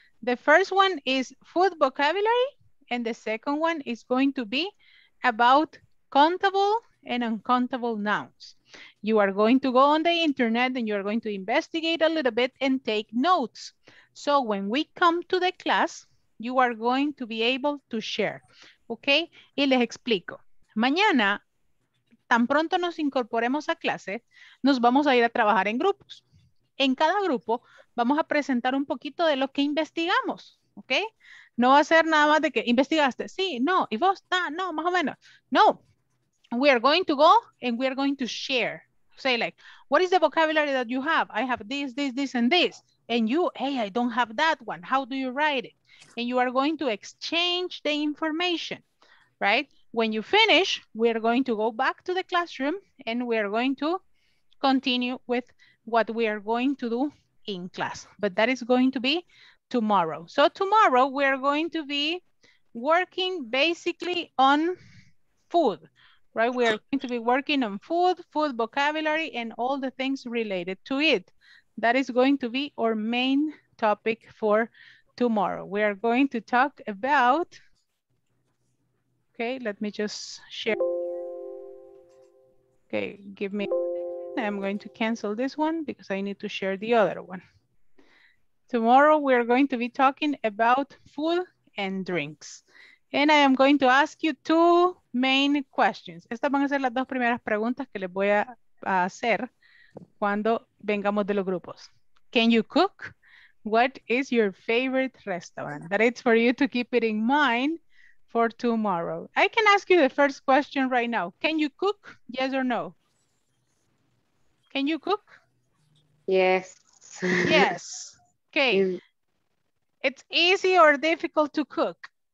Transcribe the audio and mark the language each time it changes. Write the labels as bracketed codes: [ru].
[en] The first one is food vocabulary, and the second one is going to be about countable and uncountable nouns. You are going to go on the internet and you're going to investigate a little bit and take notes. So when we come to the class, you are going to be able to share. [es] Okay, y les explico. Mañana, tan pronto nos incorporemos a clase, nos vamos a ir a trabajar en grupos. En cada grupo vamos a presentar un poquito de lo que investigamos, ¿ok? No va a ser nada más de que investigaste, sí, no, y vos, nah, no, más o menos. [en] No, we are going to go and we are going to share. Say like, what is the vocabulary that you have? I have this, this, this, and this. And you, hey, I don't have that one. How do you write it? And you are going to exchange the information, right? When you finish, we are going to go back to the classroom and we are going to continue with what we are going to do in class. But that is going to be tomorrow. So tomorrow we are going to be working basically on food, right? We are going to be working on food, food vocabulary, and all the things related to it. That is going to be our main topic for tomorrow. We are going to talk about, okay, let me just share. Okay, give me, I'm going to cancel this one because I need to share the other one. Tomorrow we are going to be talking about food and drinks. And I am going to ask you two main questions. [es] Estas van a ser las dos primeras preguntas que les voy a hacer cuando vengamos de los grupos. [en] Can you cook? What is your favorite restaurant? That is for you to keep it in mind for tomorrow. I can ask you the first question right now. Can you cook? Yes or no? Can you cook? Yes. Yes. Okay. It's easy or difficult to cook?